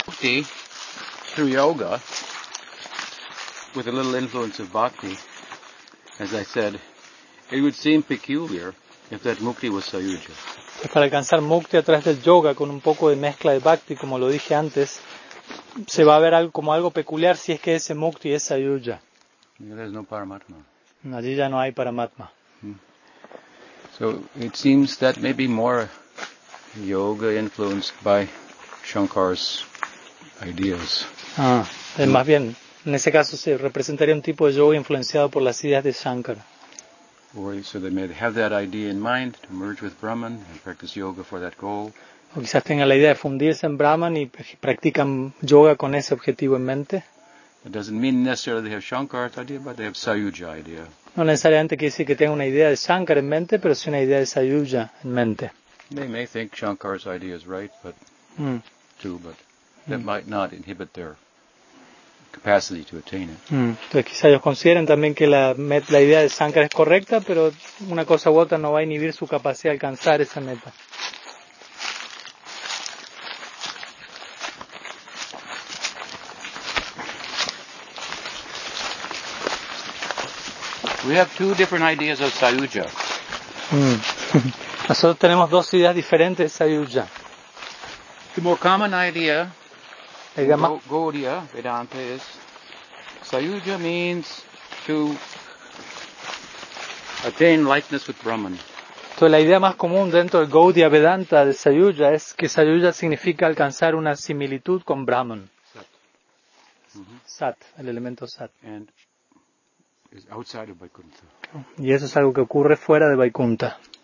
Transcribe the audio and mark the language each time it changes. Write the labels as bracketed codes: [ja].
[en] Through yoga, with a little influence of bhakti, as I said, it would seem peculiar If that mukti was sayuja. [es] Es para alcanzar mukti a través del yoga con un poco de mezcla de bhakti, como lo dije antes, se va a ver algo, como algo peculiar si es que ese mukti es sayuja. [en] There's no paramatma. [es] Allí ya no hay paramatma. [en] So it seems that maybe more yoga influenced by Shankar's ideas. [es] Ah, más bien, en ese caso se representaría un tipo de yoga influenciado por las ideas de Shankar. [en] Or so they may have that idea in mind to merge with Brahman and practice yoga for that goal. [es] O quizás tengan la idea de fundirse en Brahman y practican yoga con ese objetivo en mente. [en] It doesn't mean necessarily they have Shankar's idea, but they have Sayuja idea. [es] No necesariamente quiere decir que tengan una idea de Shankar en mente, pero sí una idea de Sayuja en mente. [en] They may think Shankar's idea is right, but that might not inhibit their capacity to attain it. [es] Entonces quizás ellos consideren también que la idea de Shankar es correcta, pero una cosa u otra no va a inhibir su capacidad de alcanzar esa meta. [en] We have two different ideas of Sayuja. [es] Nosotros tenemos dos ideas diferentes de Sayuja. [en] The more common idea, Gaudiya Vedanta, is Sayuja means to attain likeness with Brahman. [es] Entonces la idea más común dentro de Gaudiya Vedanta de Sayuja es que Sayuja significa alcanzar una similitud con Brahman. [en] Sat. [es] Sat, el elemento Sat. [en] And is outside of Vaikuntha. [es] Y eso es algo que ocurre fuera de Vaikuntha.